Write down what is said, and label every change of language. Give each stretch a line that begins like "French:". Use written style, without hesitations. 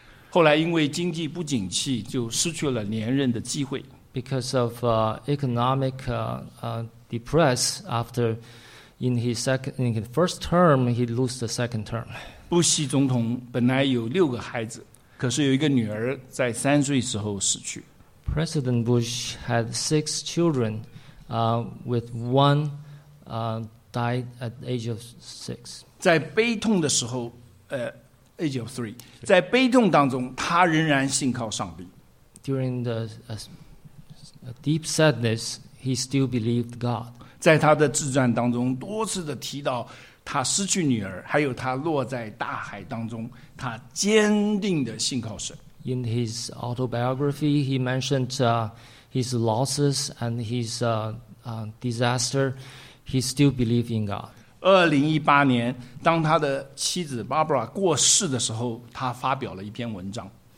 Chinese: 后来因为经济不景气，就失去了连任的机会。
English: Because of economic depress after in his first term, he lost the second term.
Chinese: 布希总统本来有六个孩子，可是有一个女儿在三岁时候死去。
English: President Bush had 6 children, with one died at the age of 6.
Chinese: 在悲痛的时候，
English: age of 3,
Chinese: 在悲痛当中，他仍然信靠上帝。
English: During the deep sadness, he still believed God.
Chinese: 在他的自传当中，多次的提到他失去女儿，还有他落在大海当中，他坚定的信靠神。
English: In his autobiography, he mentioned his losses and his disaster. He still believed in God.
Chinese: 2018年，当他的妻子 Barbara 过世的时候，他发表了一篇文章。